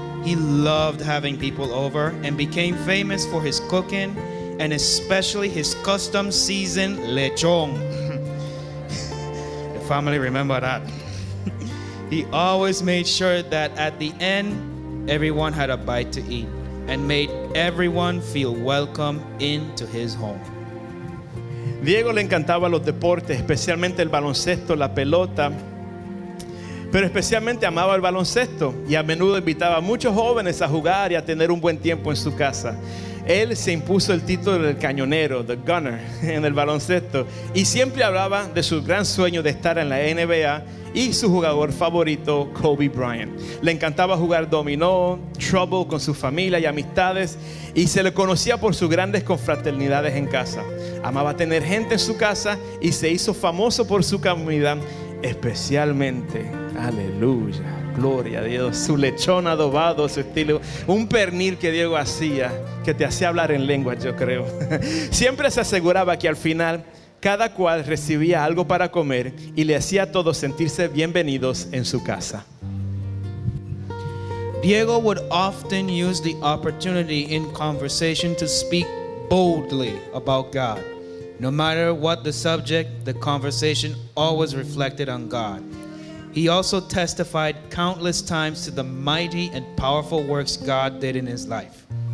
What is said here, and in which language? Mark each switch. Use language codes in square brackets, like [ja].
[en] He loved having people over and became famous for his cooking and especially his custom seasoned lechon. The family remember that. He always made sure that at the end, everyone had a bite to eat and made everyone feel welcome into his home. [es] Diego le encantaba los deportes, especialmente el baloncesto, la pelota. Pero especialmente amaba el baloncesto y a menudo invitaba a muchos jóvenes a jugar y a tener un buen tiempo en su casa. Él se impuso el título del cañonero, [en] the gunner, [es] en el baloncesto. Y siempre hablaba de su gran sueño de estar en la NBA y su jugador favorito, Kobe Bryant. Le encantaba jugar dominó, trouble con su familia y amistades. Y se le conocía por sus grandes confraternidades en casa. Amaba tener gente en su casa y se hizo famoso por su comida, especialmente, aleluya, Gloria a Dios. Su lechón adobado, su estilo. Un pernil que Diego hacía, que te hacía hablar en lengua, yo creo. Siempre se aseguraba que al final cada cual recibía algo para comer y le hacía a todos sentirse bienvenidos en su casa. [en] Diego would often use the opportunity in conversation to speak boldly about God. No matter what the subject, the conversation always reflected on God. He also testified countless times to the mighty and powerful works God did in his life.